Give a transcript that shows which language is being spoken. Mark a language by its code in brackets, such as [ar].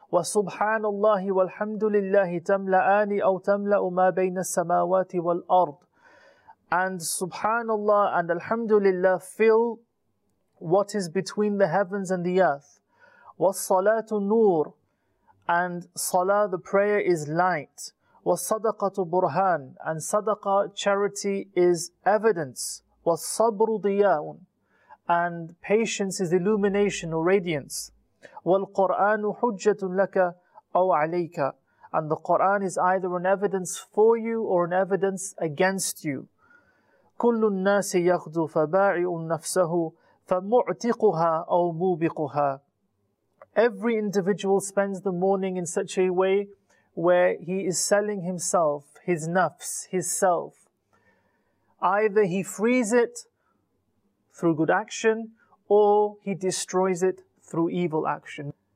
[ar] وسبحان الله والحمد لله تملأان أو تملأ ما بين السماوات والأرض. [en] And subhanallah and alhamdulillah fill what is between the heavens and the earth. [ar] وَالصَّلَاةُ نُورٌ [en] And salah, the prayer, is light. [ar] وَالصَّدَقَةُ بُرْهَانٌ [en] And sadaqa, charity, is evidence. [ar] وَالصَّبْرُ ضِيَاءٌ [en] And patience is illumination or radiance. [ar] وَالْقُرْآنُ حُجَّةٌ لَكَ أَوْ عَلَيْكَ [en] And the Qur'an is either an evidence for you or an evidence against you. [ar] كل الناس يغدو فبائع نفسه فمعتقها أو موبقها. [en] Every individual spends the morning in such a way where he is selling himself, his nafs, his self. Either he frees it through good action or he destroys it through evil action.